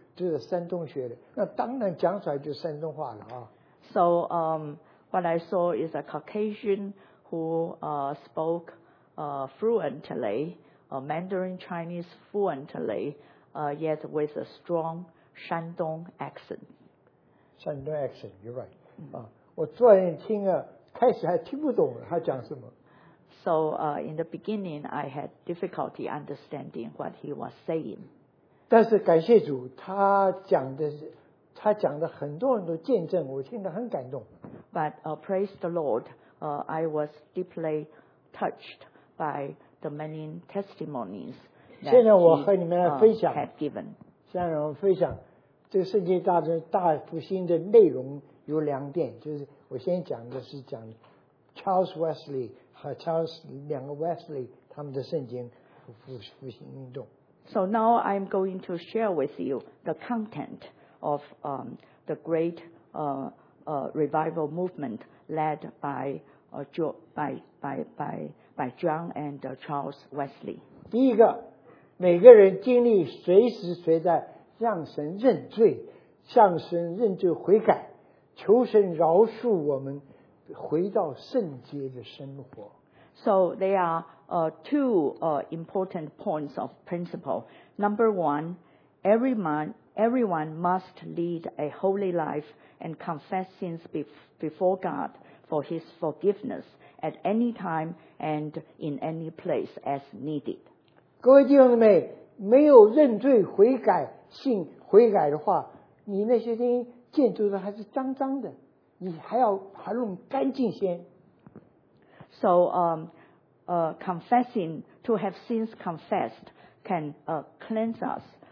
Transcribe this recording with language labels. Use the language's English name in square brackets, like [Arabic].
[Chinese] 就是山东学的，那当然讲出来就山东话了啊。 [English] So, what I saw is a Caucasian who spoke fluently, Mandarin Chinese fluently, yet with a strong Shandong accent. Shandong accent, you're right. [Chinese] 我坐在那听啊，开始还听不懂他讲什么。 [English] So, in the beginning, I had difficulty understanding what he was saying. [Chinese] 但是感谢主，他讲的是。他讲的很多人都见证，我听得很感动。 [English] But praise the Lord, I was deeply touched by the many testimonies that he had given. [Chinese] 现在我分享这个圣经大中大复兴的内容有两点，就是我先讲的是讲 Charles Wesley 和 Charles 两个 Wesley 他们的圣经复兴运动。 [English] So now I'm going to share with you the content. Of the great revival movement led by John and Charles Wesley. [Chinese] 第一个，每个人经历随时随地向神认罪，向神认罪悔改，求神饶恕我们，回到圣洁的生活。 [English] So there are two important points of principle. Number one, Everyone must lead a holy life and confess sins before God for his forgiveness at any time and in any place as needed. [Chinese] 各位弟兄姊妹，没有认罪悔改，信悔改的话，你那些东西建筑的还是脏脏的，你还要把它弄干净先。 [English] So, confessing to have sins confessed can cleanse us.